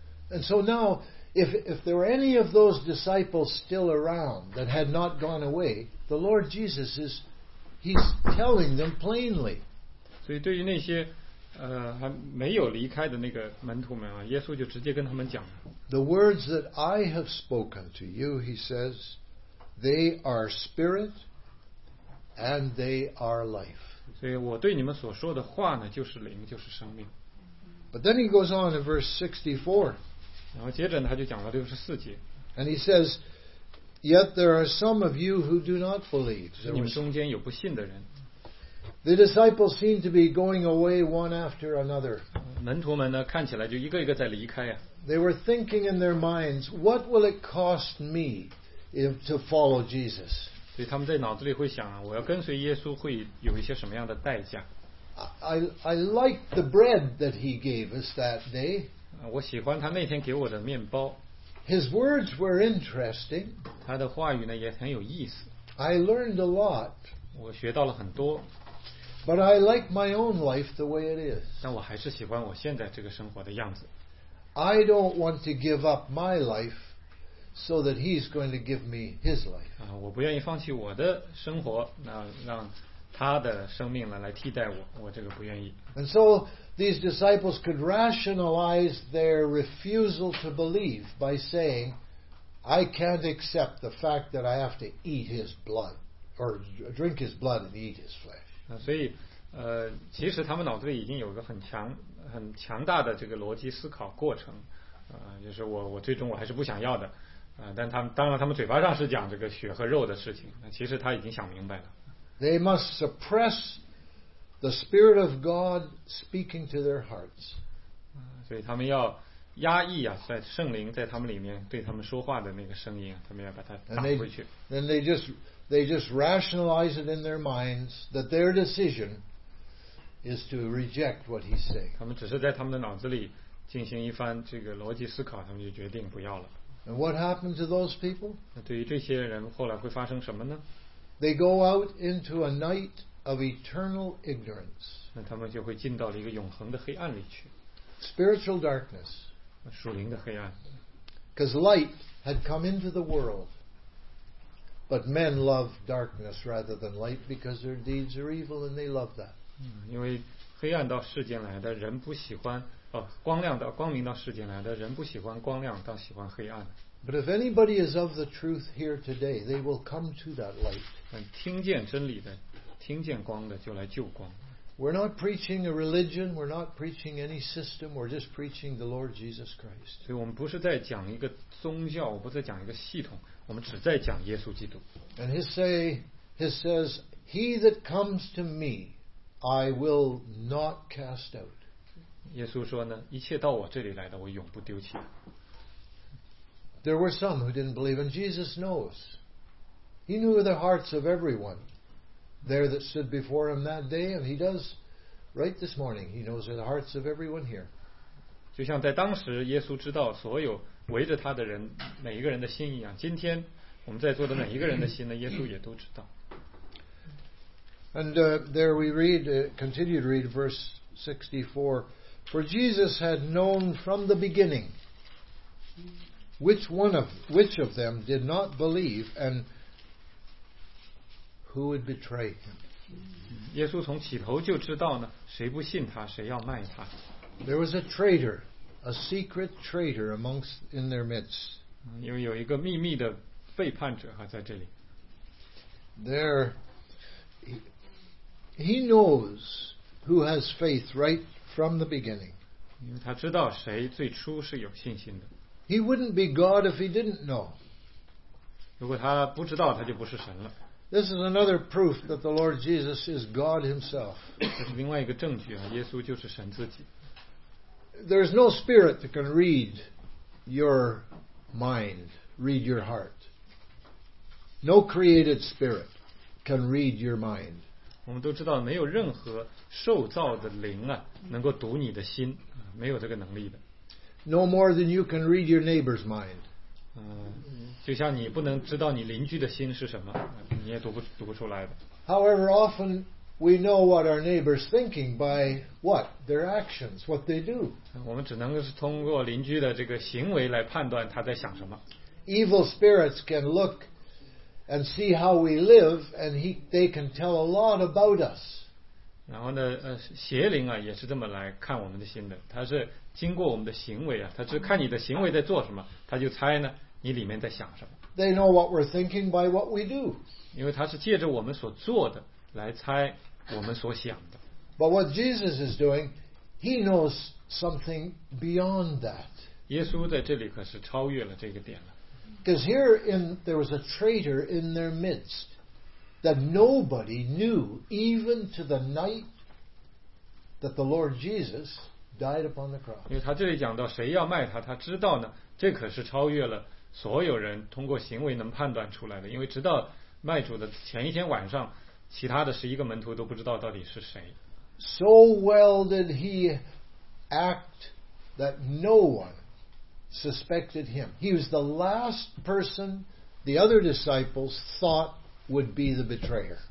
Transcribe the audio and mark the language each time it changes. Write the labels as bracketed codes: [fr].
[en] And so now, if there were any of those disciples still around that had not gone away, the Lord Jesus is, he's telling them plainly. [zh] 所以对于那些还没有离开的那个门徒们啊，耶稣就直接跟他们讲了。 [en] The words that I have spoken to you, he says, they are spirit and they are life. [zh] 所以我对你们所说的话呢，就是灵，就是生命。 [en] But then he goes on in verse 64. [zh] 然后接着呢，他就讲了六十四节。 [en] And he says, "Yet there are some of you who do not believe." [zh] 你们中间有不信的人。 [en] The disciples seem to be going away one after another. [zh] 门徒们呢，看起来就一个一个在离开呀。 [en] They were thinking in their minds, "What will it cost me if to follow Jesus?" [zh] 所以他们在脑子里会想啊，我要跟随耶稣会有一些什么样的代价 [en] ？I like the bread that he gave us that day. [zh] 我喜欢他那天给我的面包。 [en] His words were interesting. [zh] 他的话语呢也很有意思。 [en] I learned a lot. [zh] 我学到了很多。 [en] But I like my own life the way it is. [zh] 但我还是喜欢我现在这个生活的样子。 [en] I don't want to give up my life so that he's going to give me his life. [zh] 我不愿意放弃我的生活，那让他的生命呢来替代我，我这个不愿意。 [en] And so. These disciples could rationalize their refusal to believe by saying, "I can't accept the fact that I have to eat his blood or drink his blood and eat his flesh." [zh] 所以，其实他们脑子里已经有一个很强大的这个逻辑思考过程，就是我最终我还是不想要的，但他们当然他们嘴巴上是讲这个血和肉的事情，其实他已经想明白了。 [en] They must suppress. The Spirit of God speaking to their hearts. [zh] 所以他们要压抑啊，在圣灵在他们里面对他们说话的那个声音，他们要把它打回去。 [en] Then they just rationalize it in their minds that their decision is to reject what he's saying. [zh] 他们只是在他们的脑子里进行一番这个逻辑思考，他们就决定不要了。 [en] And what happened to those people? [zh] 对于这些人后来会发生什么呢？ [en] They go out into a night of eternal ignorance. [zh] 那他们就会进到了一个永恒的黑暗里去。 [en] Spiritual darkness. [zh] 属灵的黑暗。 [en] Because light had come into the world. But men love darkness rather than light because their deeds are evil and they love that. [zh] 因为黑暗到世间来的人不喜欢光亮到光明到世间来的人不喜欢光亮倒喜欢黑暗。 [en] But if anybody is of the truth here today, they will come to that light. [zh] 听见真理的听见光的就来救光。 [en] We're not preaching a religion, we're not preaching any system, we're just preaching the Lord Jesus Christ. [zh] 所以我们不是在讲一个宗教，我不是在讲一个系统，我们只在讲耶稣基督。 [en] And he says, he that comes to me, I will not cast out. [zh] 耶稣说呢，一切到我这里来的，我永不丢弃。 [en] There were some who didn't believe, and Jesus knows. He knew the hearts of everyone. There that stood before him that day, and he does right this morning. He knows the hearts of everyone here. [zh] 就像在当时，耶稣知道所有围着他的人每一个人的心一样。今天我们在座的每一个人的心呢，耶稣也都知道。 [en] And there we read, continued read verse 64. For Jesus had known from the beginning which of them did not believe and. Who would betray him? [zh] 耶稣从起头就知道呢，谁不信他，谁要卖他。 [en] There was a traitor, a secret traitor amongst in their midst. [zh] 因为有一个秘密的背叛者哈在这里。 [en] There, he knows who has faith right from the beginning. [zh] 因为他知道谁最初是有信心的。 [en] He wouldn't be God if he didn't know. [zh] 如果他不知道，他就不是神了。 [en] This is another proof that the Lord Jesus is God Himself. [zh] 这是另外一个证据啊，耶稣就是神自己。 [en] There is no spirit that can read your mind, read your heart. No created spirit can read your mind. [zh] 我们都知道，没有任何受造的灵啊，能够读你的心，没有这个能力的。 [en] No more than you can read your neighbor's mind. [zh] 就像你不能知道你邻居的心是什么，你也读不出来的。 [en] However, often we know what our neighbors thinking by what their actions, what they do. [zh] 我们只能是通过邻居的这个行为来判断他在想什么。 [en] Evil spirits can look and see how we live, and they can tell a lot about us. [zh] 然后呢，邪灵啊也是这么来看我们的心的，他是经过我们的行为啊，他只看你的行为在做什么，他就猜呢。你里面在想什么？ [en] They know what we're thinking by what we do. [zh] 因为他是借着我们所做的来猜我们所想的。 [en] But what Jesus is doing, he knows something beyond that. [zh] 耶稣在这里可是超越了这个点了。 [en] Because here in there was a traitor in their midst that nobody knew, even to the night that the Lord Jesus died upon the cross. [zh] 因为他这里讲到谁要卖他，他知道呢，这可是超越了。所有人通过行为能判断出来的，因为直到卖主的前一天晚上，其他的十一个门徒都不知道到底是谁。 [en] So well did he act that no one suspected him. He was the last person the other disciples thought would be the betrayer.